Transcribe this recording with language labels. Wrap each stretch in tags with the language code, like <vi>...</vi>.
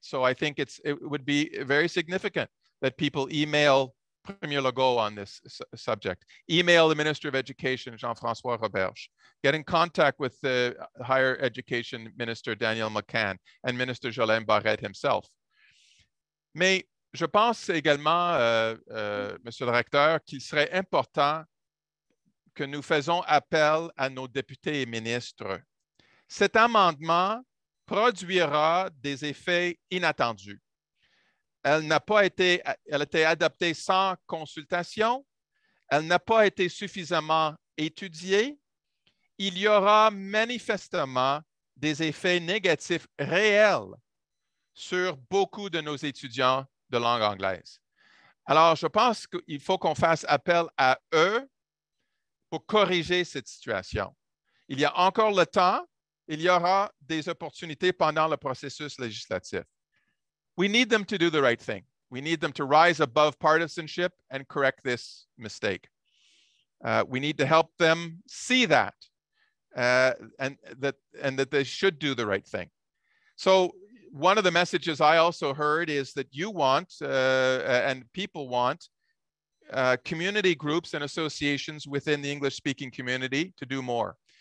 <en>So I think it would be very significant that people email Premier Legault on this subject, email the Minister of Education, Jean-François Roberge, get in contact with the Higher Education Minister, Daniel McCann, and Minister Jolene Barrette himself.</en> <fr>Mais je pense également, Monsieur le Recteur, qu'il serait important que nous faisons appel à nos députés et ministres. Cet amendement produira des effets inattendus. Elle a été adoptée sans consultation. Elle n'a pas été suffisamment étudiée. Il y aura manifestement des effets négatifs réels sur beaucoup de nos étudiants de langue anglaise. Alors, je pense qu'il faut qu'on fasse appel à eux pour corriger cette situation. Il y a encore le temps. Il y aura des opportunités pendant le processus législatif.</fr> <en>We need them to do the right thing. We need them to rise above partisanship and correct this mistake. We need to help them see that and that they should do the right thing. So one of the messages I also heard is that you want and people want community groups and associations within the English speaking community to do more.</en>